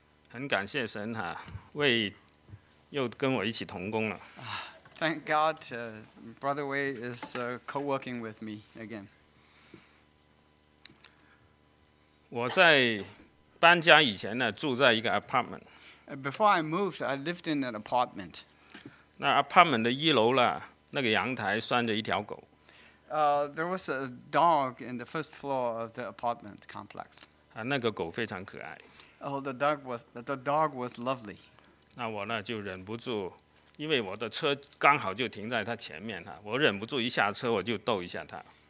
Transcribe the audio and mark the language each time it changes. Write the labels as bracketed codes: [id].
[zh] 很感谢神哈，魏又跟我一起同工了。 [en] Thank God, Brother Wei is co-working with me again. [zh] 我在搬家以前呢，住在一个 apartment. [en] Before I moved, I lived in an apartment. [zh] 那 apartment 的一楼呢，那个阳台拴着一条狗。 [en] There was a dog in the first floor of the apartment complex. [zh] 啊，那个狗非常可爱。 [en] Oh, the dog was lovely. [zh] 那我呢就忍不住，因为我的车刚好就停在他前面哈，我忍不住一下车我就逗一下他。